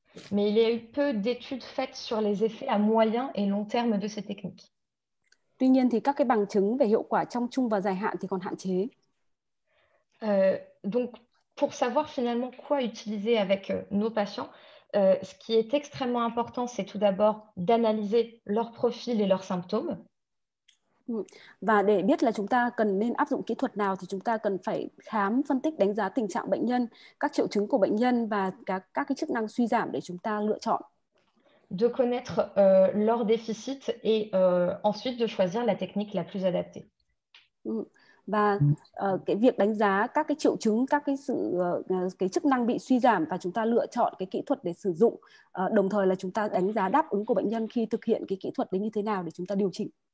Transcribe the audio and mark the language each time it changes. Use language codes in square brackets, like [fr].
[fr] Mais il y a eu peu d'études faites sur les effets à moyen et long terme de ces techniques. [vi] Tuy nhiên thì các cái bằng chứng về hiệu quả trong trung và dài hạn thì còn hạn chế. [fr] Donc, pour savoir finalement quoi utiliser avec nos patients, ce qui est extrêmement important, c'est tout d'abord d'analyser leur profil et leurs symptômes. [vi] Và để biết là chúng ta cần nên áp dụng kỹ thuật nào thì chúng ta cần phải khám, phân tích, đánh giá tình trạng bệnh nhân, các triệu chứng của bệnh nhân và các cái chức năng suy giảm để chúng ta lựa chọn. [fr] de connaître leurs déficits et ensuite de choisir la technique la plus adaptée. [vi] Và cái việc đánh giá các cái triệu chứng, các cái sự cái chức năng bị suy giảm và chúng ta lựa chọn cái kỹ thuật để sử dụng, đồng thời là chúng ta đánh giá đáp ứng của bệnh nhân khi thực hiện cái kỹ thuật đấy như thế nào để chúng ta điều chỉnh.